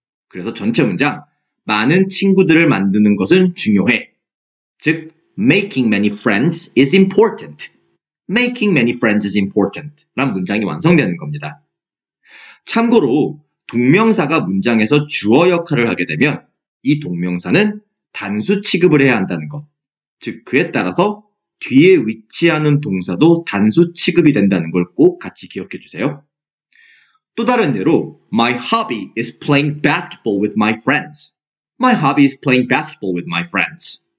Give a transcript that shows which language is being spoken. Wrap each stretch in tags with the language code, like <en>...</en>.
<ko>그래서 전체 문장 많은 친구들을 만드는 것은 중요해. 즉,</ko> <en>making many friends is important. making many friends is important.</en> <ko>라는 문장이 완성되는 겁니다. 참고로 동명사가 문장에서 주어 역할을 하게 되면 이 동명사는 단수 취급을 해야 한다는 것. 즉, 그에 따라서 뒤에 위치하는 동사도 단수 취급이 된다는 걸 꼭 같이 기억해 주세요. 또 다른 예로</ko> <en>My hobby is playing basketball with my friends. My hobby is playing basketball with my friends.</en>